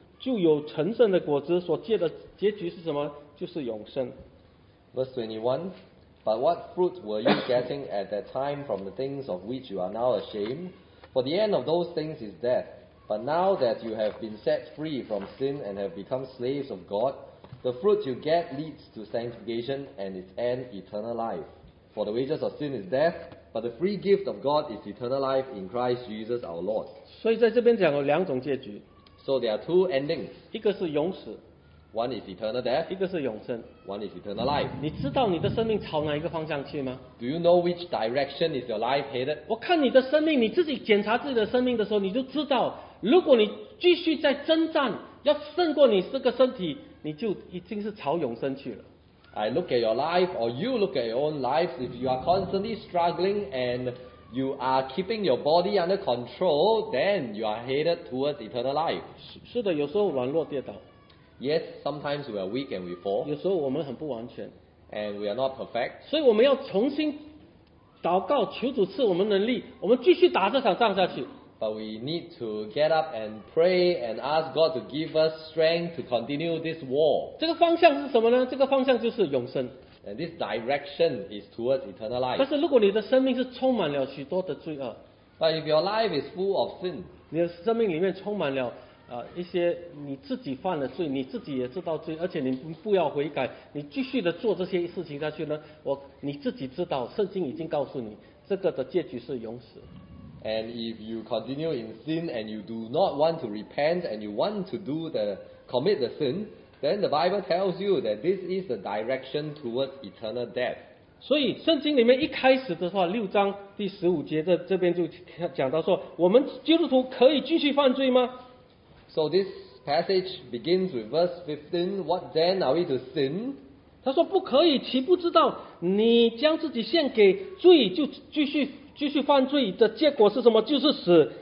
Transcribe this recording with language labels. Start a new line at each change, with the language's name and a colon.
Chinese: 就有成圣的果子，所结的结局是什么？就是永生。
English: Verse 21, but what fruit were you getting at that time from the things of which you are now ashamed? For the end of those things is death. But now that you have been set free from sin and have become slaves of God, the fruit you get leads to sanctification and its end, eternal life. For the wages of sin is death, but the free gift of God is eternal life in Christ Jesus our Lord.
Chinese: 所以在这边讲有两种结局。
English: So there are two endings.
Chinese: 一个是永死。
English: One is eternal death.
Chinese: 一个是永生。
English: One is eternal life.
Chinese: 你知道你的生命朝哪一个方向去吗？
English: Do you know which direction is your life headed?
Chinese: 我看你的生命，你自己检查自己的生命的时候，你就知道，如果你继续在征战，要胜过你这个身体，你就已经是朝永生去了。
English: I look at your life, or you look at your own lives. If you are constantly struggling and you are keeping your body under control, then you are headed towards eternal life.
Chinese: 是的，有时候软弱跌倒。
English: Yes, sometimes we are weak and we fall.
Chinese: 有时候我们很不完全。
English: And we are not perfect.
Chinese: 所以我们要重新祷告，求主赐我们能力，我们继续打这场仗下去。
English: But we need to get up and pray and ask God to give us strength to continue this war.
Chinese: 这个方向是什么呢？这个方向就是永生。
English: And this direction is towards eternal life.
Chinese: 但是如果你的生命是充满了许多的罪恶，
English: But if your life is full of sin,
Chinese: 你的生命里面充满了一些你自己犯的罪，你自己也知道罪，而且你不要悔改，你继续的做这些事情下去呢，你自己知道，圣经已经告诉你，这个的结局是永死。
English: And if you continue in sin and you do not want to repent and you want to commit the sin, then the Bible tells you that this is the direction towards eternal death.
Chinese: 所以圣经里面一开始的话，六章第十五节的这边就讲到说，我们基督徒可以继续犯罪吗？
English: So this passage begins with verse 15. What then are we to sin?
Chinese: 他说不可以，岂不知道你将自己献给罪就继续犯罪的结果是什么？就是死。